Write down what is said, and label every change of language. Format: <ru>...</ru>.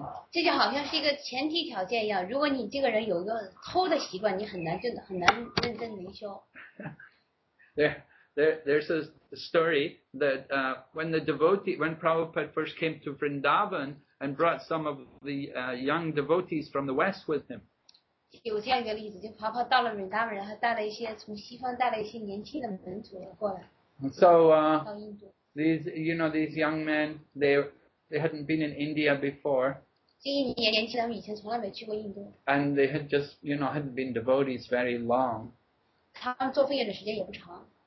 <zh>这就好像是一个前提条件一样，如果你这个人有一个偷的习惯，你很难认真灵修。</zh> <en>There's a story that when Prabhupada first came to Vrindavan and brought some of the young devotees from the west with him.</en> <zh>有这样一个例子，就婆婆到了 Vrindavan， 然后带了一些从西方带了一些年轻的门徒过来。</zh> <en>So these young men they hadn't been in India before.</en> <zh>这一年年轻人以前从来没去过印度。</zh> <en>And they had just hadn't been devotees very long.</en> <zh>他们做奉献的时间也不长。</zh>